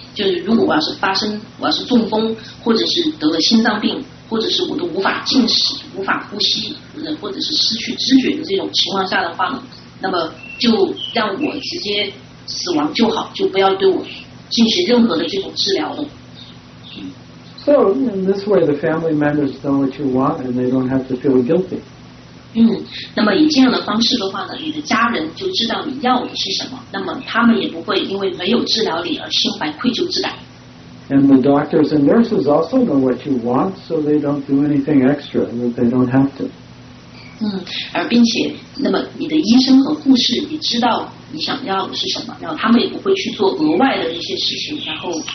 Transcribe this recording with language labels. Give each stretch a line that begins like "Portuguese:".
Chinese: 就是如果我要是发生，我要是中风，或者是得了心脏病，或者是我都无法进食、无法呼吸，或者是失去知觉的这种情况下的话，那么就让我直接死亡就好，就不要对我进行任何的这种治疗了。
English: So in this way, the family members know what you want, and they don't have to feel guilty.
Chinese: 嗯，那么以这样的方式的话呢，你的家人就知道你要的是什么，那么他们也不会因为没有治疗你而心怀愧疚之感。
English: And the doctors and nurses also know what you want, so they don't do anything extra that they don't have to.
Chinese: 嗯，而并且，那么你的医生和护士也知道你想要的是什么，然后他们也不会去做额外的一些事情，然后